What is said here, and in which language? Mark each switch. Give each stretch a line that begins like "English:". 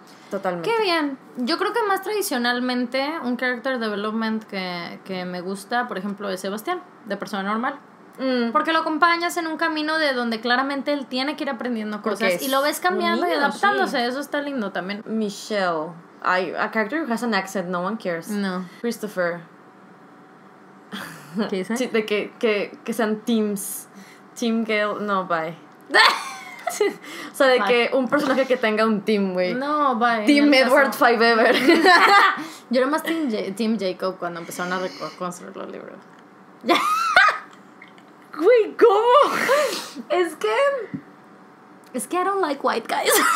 Spanish: Totalmente. Qué bien. Yo creo que más tradicionalmente un character development que me gusta, por ejemplo, es Sebastián, de Persona Normal. Porque lo acompañas en un camino de donde claramente él tiene que ir aprendiendo cosas y lo ves cambiando y adaptándose. Sí. Eso está lindo también. Michelle.
English: Ay, a character who has an accent, no one cares.
Spanish: No. Christopher. ¿Qué dice? Sí, de que sean teams. Team Gale, no, bye. O sea, de bye. Que un personaje que tenga un team, güey. No, bye.
English: Team Edward Five Ever.
Spanish: Yo era más team Jacob cuando empezaron a reconstruir los libros. Güey, ¿cómo? Es que
English: I don't like white guys.